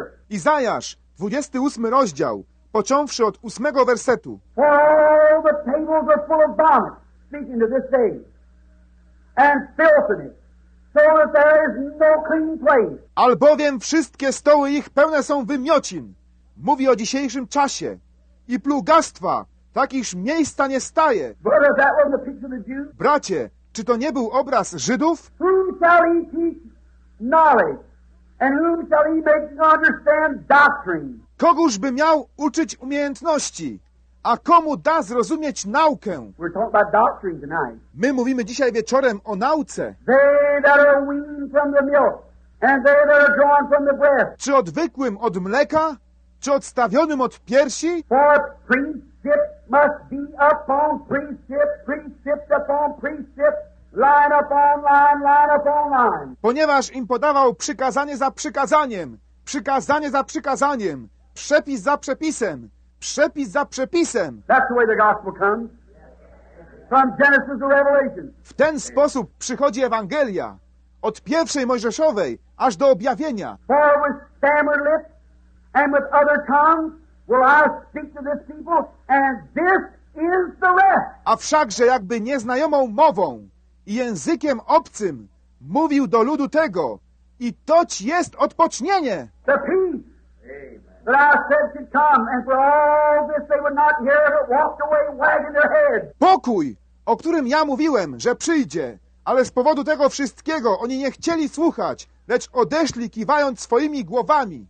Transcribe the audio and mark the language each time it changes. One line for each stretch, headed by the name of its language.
Polish: Izajasz, 28 rozdział, począwszy od 8 wersetu.
English: The tables are full of vomit, speaking to this day, and filthiness. So that there is no clean place.
Polish: Albowiem wszystkie stoły ich pełne są wymiocin, mówi o dzisiejszym czasie, i plugastwa, tak iż miejsca nie staje.
English: Brother, that was the picture of the Jews?
Polish: Bracie, czy to nie był obraz Żydów?
English: Whom shall he teach knowledge? And whom shall he make to understand doctrine?
Polish: Kogóż by miał uczyć umiejętności? A komu da zrozumieć naukę?
English: We're talking about doctrine tonight.
Polish: My mówimy dzisiaj wieczorem o nauce.
English: They that are weaned from the milk and they that are drawn from the breast.
Polish: Czy odwykłym od mleka? Czy odstawionym od piersi?
English: For precept must be upon precept, precept upon precept, line upon line, line upon line.
Polish: Ponieważ im podawał przykazanie za przykazaniem, przykazanie za przykazaniem, przepis za przepisem, przepis za przepisem.
English: That's the way the gospel comes. From Genesis to Revelation.
Polish: W ten sposób przychodzi Ewangelia. Od pierwszej Mojżeszowej aż do objawienia.
English: For with stammered lips and with other tongues will I speak to this people, and this is the rest.
Polish: A wszakże jakby nieznajomą mową i językiem obcym mówił do ludu tego, i toć jest odpocznienie.
English: The peace. But I said to come, and for all this they would not hear, but walked away wagging their heads.
Polish: Pokój, o którym ja mówiłem, że przyjdzie, ale z powodu tego wszystkiego oni nie chcieli słuchać, lecz odeszli kiwając swoimi głowami.